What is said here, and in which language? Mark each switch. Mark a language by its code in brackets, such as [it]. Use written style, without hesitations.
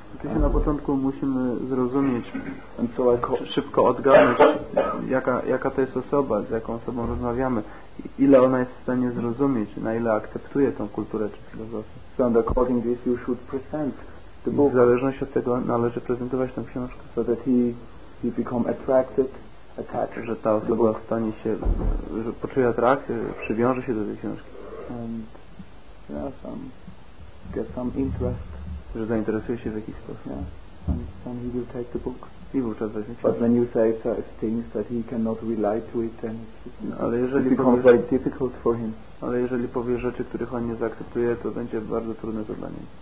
[pl] Kiedy na początku musimy zrozumieć, szybko odgadnąć, jaka to jest osoba, z jaką osobą rozmawiamy, ile ona jest w stanie zrozumieć, na ile akceptuje tą kulturę czy filozofię. [en] So and according to this you should present the book. [pl] W zależności od tego należy prezentować tę książkę. [en] So that he become attracted, attached. [pl] Że ta osoba stanie się, że poczuje atrakcję, przywiąże się do tej książki. [en] And get some interest. [pl] Że zainteresuje się w jakiś sposób. [en] Yeah. And he will take the book. [pl] I wówczas weźmie książkę. [en] But when you say things that he cannot relate to it, then it becomes very difficult for him. [pl] Ale jeżeli powie rzeczy, których on nie zaakceptuje, to będzie bardzo trudne zadanie.